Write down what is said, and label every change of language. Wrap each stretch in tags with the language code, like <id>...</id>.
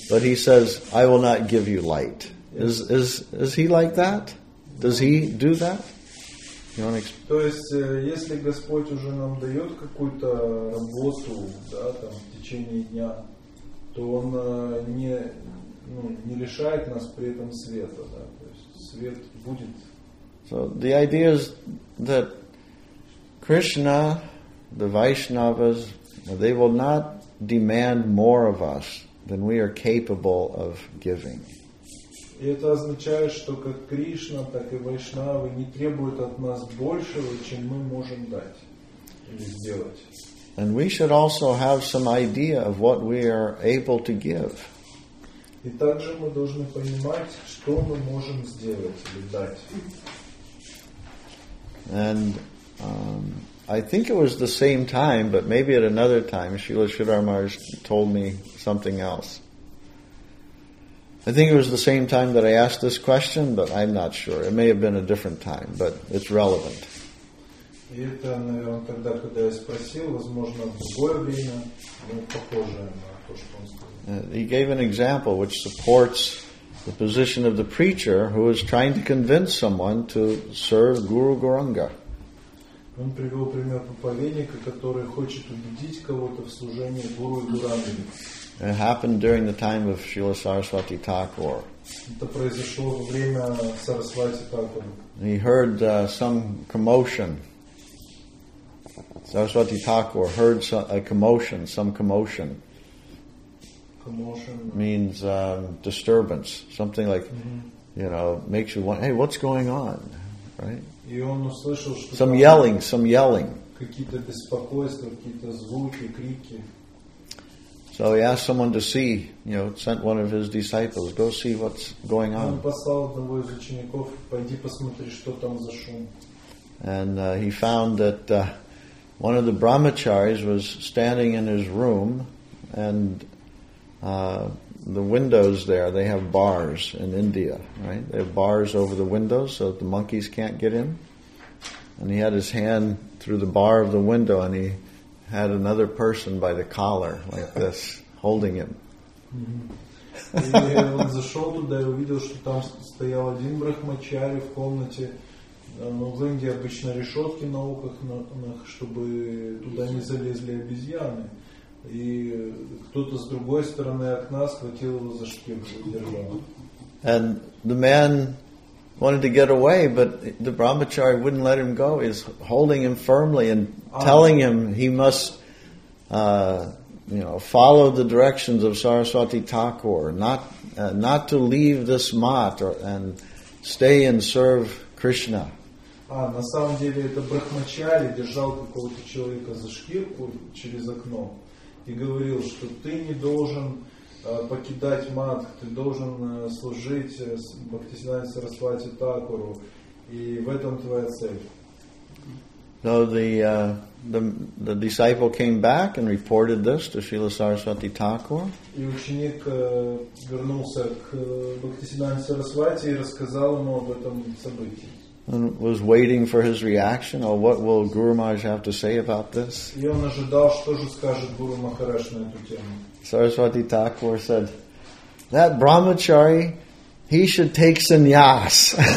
<en>But he says, I will not give you light. Yes. Is he like that? Does he do that?</en> <ru>То есть, если Господь уже нам дает какую-то работу, да, там, в течение дня, то он не лишает нас при этом света, да, то есть свет будет.</ru> <en>So the idea is that Krishna, the Vaishnavas, they will not demand more of us than we are capable of giving.</en> <ru>И это означает, что как Кришна, так и Вайшнавы не требуют от нас большего, чем мы можем дать или сделать.</ru> <en>And we should also have some idea of what we are able to give.</en> <ru>И также мы должны понимать, что мы можем сделать или дать.</ru> <en>And I think it was the same time, but maybe at another time, Srila Sridhar Maharaj told me something else. I think it was the same time that I asked this question, but I'm not sure. It may have been a different time, but it's relevant.</en> <ru>И это, наверное, тогда, когда я спросил, возможно, в другое время, но похоже на то, что он сказал.</ru> <en>He gave an example which supports the position of the preacher who is trying to convince someone to serve Guru Gauranga.</en> <ru>Он привел пример проповедника, который хочет убедить кого-то в служении Гуру и Гурандами.</ru> <en>It happened during the time of Srila Saraswati Thakur.</en> <ru>Это произошло во время Сарасвати Такур.</ru> <en>He heard some commotion. Saraswati Thakur heard some commotion. Commotion means disturbance, something like, mm-hmm. you know, makes you wonder, hey, what's going on, right?</en> <ru>И он услышал, что</ru> <en>some yelling.</en> <ru>Какие-то беспокойства, какие-то звуки, крики.</ru> <en>So he asked someone to see, you know, sent one of his disciples, go see what's going on.</en> <ru>Он послал одного из учеников, пойди посмотри, что там за шум.</ru> <en>And he found that one of the brahmacharis was standing in his room, and the windows there, they have bars in India, right? They have bars over the windows so that the monkeys can't get in. And he had his hand through the bar of the window, and he had another person by the collar, like this, holding him. And he</en> <ru>зашел туда и увидел, что там стоял один брахмачари в комнате. Но в Индии обычно решетки на окнах, чтобы туда не залезли обезьяны. И кто-то с другой стороны окна схватил его за шпильку и держал.</ru> <en>And the man wanted to get away, but the brahmachari wouldn't let him go. He's holding him firmly and telling him he must, follow the directions of Saraswati Thakur, not to leave this mat and stay and serve Krishna.</en> <ru>На самом деле это брахмачари держал какого-то человека за шкирку через окно и говорил, что ты не должен покидать мат, ты должен служить Бхактисиддханте Сарасвати Такуру, и в этом твоя цель.</ru> <en>So the disciple came back and reported this to Srila Saraswati Thakur.</en> <ru>И ученик вернулся к Бхактисиддханте Сарасвати и рассказал ему об этом событии.</ru> <en>And was waiting for his reaction, or what will Guru Maharaj have to say about this?</en> <ru>И он ожидал, что же скажет Гуру Махарадж на эту тему.</ru> <en>Saraswati Thakur said, that brahmachari, he should take sannyas.</en>